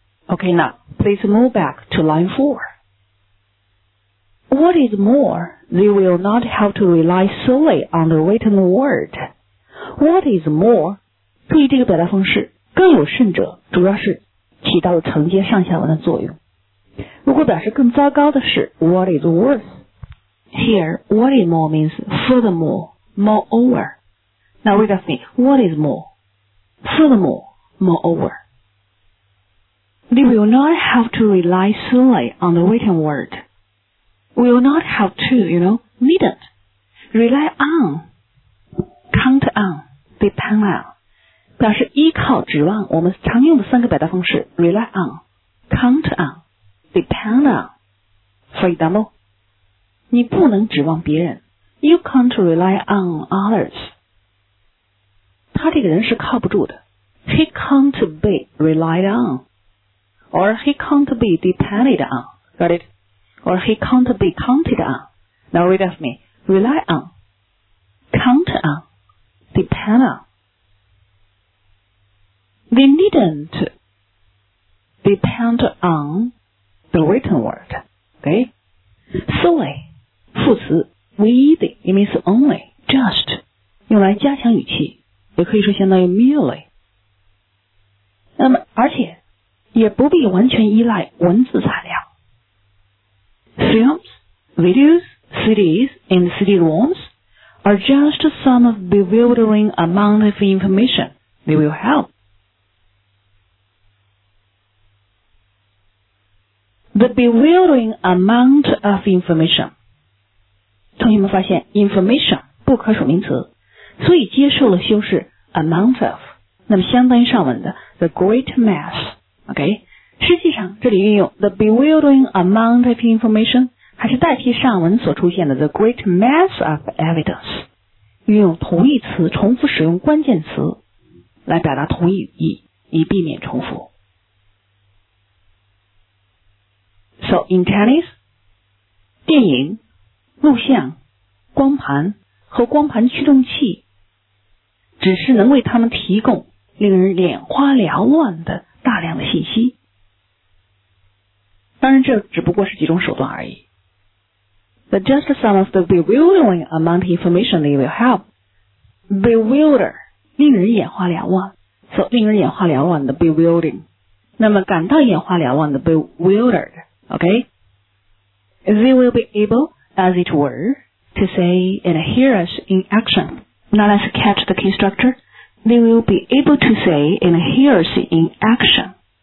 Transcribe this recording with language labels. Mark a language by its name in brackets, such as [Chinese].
[English] Okay, now, please move back to line 4. What is more, they will not have to rely solely on the written word. What is more, [Chinese] 注意这个表达方式，更有甚者，主要是起到了承接上下文的作用。如果表示更糟糕的是 [English] what is worse, here, what is more means furthermore, moreover. Now read with me, what is more, furthermore, moreover. They will not have to rely solely on the written word. Will not have to, you know, needn't. Rely on, count on, depend on. [Chinese] 表示依靠指望，我们常用的三个表达方式 [English] rely on, count on,Depend on. For example, [Chinese] 你不能指望别人。 [English] You can't rely on others. [Chinese] 他这个人是靠不住的。 [English] He can't be relied on. Or he can't be depended on. Got it? Or he can't be counted on. Now read with me. Rely on. Count on. Depend on. They needn't depend on. The written word, okay? [Chinese] Solely, 副词，唯一的 ， [English] it means only, just, [Chinese] 用来加强语气，也可以说相当于 merely。那么，而且也不必完全依赖文字材料。 [English] Films, videos, CDs, and CD-ROMs are just some of bewildering amount of information. They will help. The bewildering amount of information. [Chinese] 同学们发现 information 不可数名词，所以接受了修饰 amount of, 那么相当于上文的 [English] the great mass. [Chinese] OK, 实际上这里运用 [English] the bewildering amount of information [Chinese] 还是代替上文所出现的 [English] the great mass of evidence. [Chinese] 运用同义词重复使用关键词来表达同义语义，以避免重复。 [English] So in Chinese, [Chinese] 电影、录像、光盘和光盘驱动器只是能为他们提供令人眼花缭乱的大量的信息。当然这只不过是几种手段而已。 [English] But just some of the bewildering amount of information they will help. [Chinese] Bewilder, 令人眼花缭乱。So, 令人眼花缭乱的 bewildering. 那么感到眼花缭乱的 bewildered. [English] Okay, they will be able, as it were, to say and hear us in action. Now let's catch the key structure. They will be able to say and hear us in action.